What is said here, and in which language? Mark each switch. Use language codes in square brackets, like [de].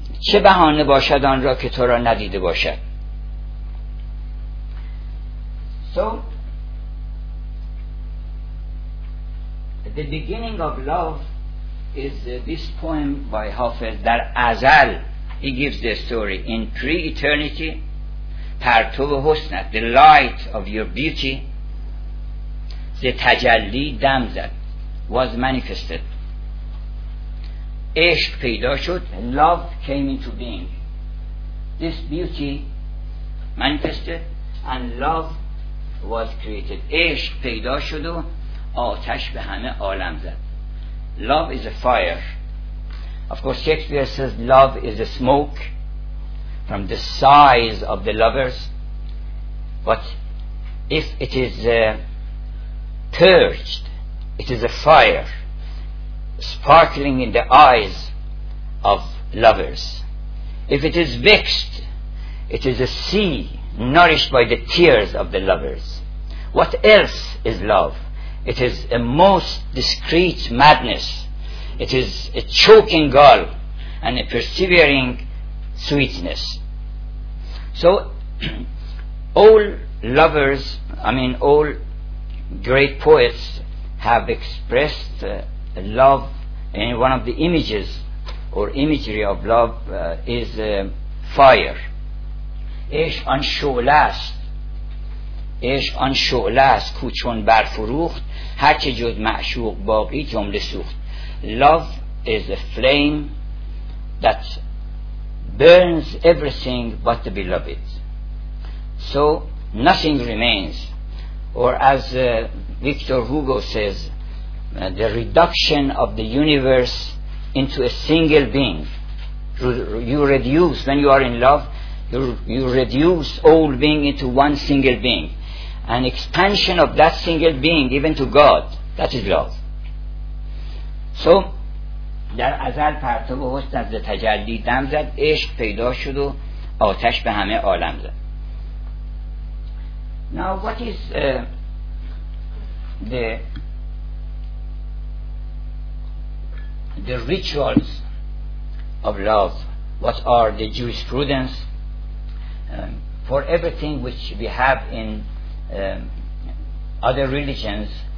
[fa] چه بهانه باشد آن را که تو را ندیده باشد. [en] So the beginning of love is this poem by Hafez. [fa] در ازل [en] he gives the story. In pre-eternity, [fa] پرتو حسنت, [en] the light of your beauty, the [fa] تجلی دم زد, [en] was manifested. [fa] عشق پیدا شد, [en] love came into being. This beauty manifested and love was created. [fa] عشق پیدا شد و آتش به همه عالم زد. [en] Love is a fire. Of course Shakespeare says love is a smoke from the size of the lovers, but if it is purged, it is a fire sparkling in the eyes of lovers. If it is vexed, it is a sea nourished by the tears of the lovers. What else is love? It is a most discreet madness. It is a choking gall and a persevering sweetness. So all lovers, all great poets have expressed love. And one of the images or imagery of love is fire. [fa] عشق آن شعله است. عشق آن شعله است که چون برفروخت هر چه جز معشوق باقی جمله سوخت. [en] Love is a flame that burns everything but the beloved. So nothing remains. Or as Victor Hugo says, the reduction of the universe into a single being. You reduce, when you are in love, you reduce all being into one single being. An expansion of that single being, even to God, that is love. So, [fa] در ازل پرتو حسن از تجلی دم زد, عشق پیدا شد و آتش به همه عالم زد. [en] Now, what is the rituals of love, what are the jurisprudence for everything which we have in other religions?